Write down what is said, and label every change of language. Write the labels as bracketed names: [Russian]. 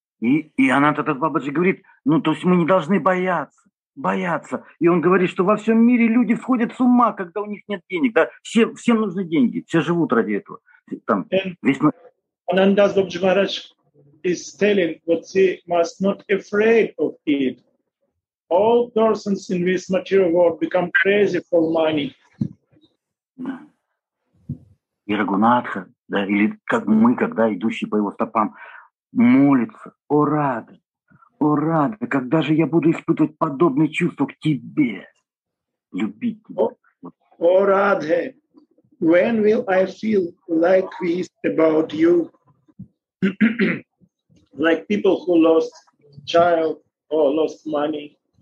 [Russian] И она этот Бабаджи говорит, ну то есть мы не должны бояться. Бояться. И он говорит, что во всем мире люди сходят с ума, когда у них нет денег. Да? Всем нужны деньги. Все живут ради этого. Там, весь... [English] Anandas Babaji Maharaj is telling that he must not be afraid of it. All persons in this material world become crazy for money. [Russian] И Рагунатха, да, или как мы, когда идущие по его стопам, молится, о рады. О, рада, когда же я буду испытывать подобные чувства к тебе, любить тебя? [English] О, Радхе, when will I feel like this about you? Like people who lost child or lost money.